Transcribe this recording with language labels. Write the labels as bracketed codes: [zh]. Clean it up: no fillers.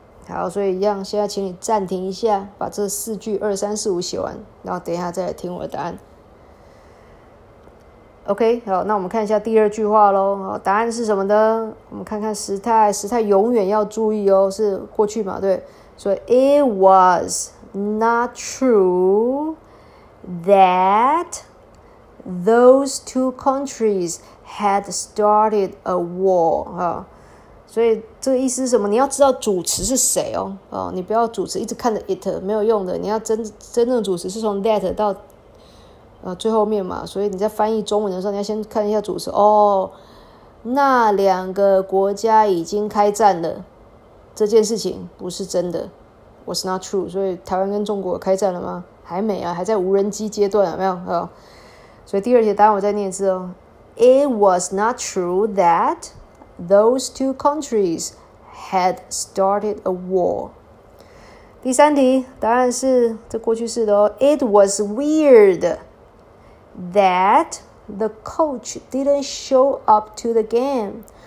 [zh] 好，所以一样，现在请你暂停一下，把这四句二三四五写完，然后等一下再来听我的答案。 OK， 好，那我们看一下第二句话咯。好，答案是什么呢？我们看看时态，时态永远要注意哦，是过去嘛，对。所以 [en] it was not true that those two countries had started a war。 [zh] 所以这个意思是什么？你要知道主词是谁哦。你不要主词一直看着 it， 没有用的。你要 真正主词是从 that 到最后面嘛，所以你在翻译中文的时候，你要先看一下主词哦。那两个国家已经开战了，这件事情不是真的 ，was not true。所以台湾跟中国开战了吗？还没啊，还在无人机阶段，有没有啊、哦？所以第二题答案我再念一次哦。 [en] It was not true that those two countries had started a war。 [zh] 第三题答案是这过去式的哦。 [en] It was weird。 That the coach didn't show up to the game.